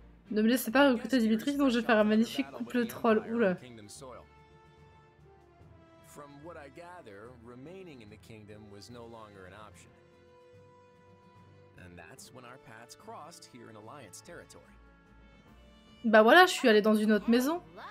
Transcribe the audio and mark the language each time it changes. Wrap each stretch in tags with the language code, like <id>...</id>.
<fr>Ne me laissez pas recruter Dimitri, sinon je vais faire un magnifique couple troll. Oula.</fr> <en>From what I gather, remaining in the kingdom was no longer an option. And that's when our paths crossed here in Alliance territory.</en> <fr>Bah voilà, je suis allé dans une autre maison.</fr>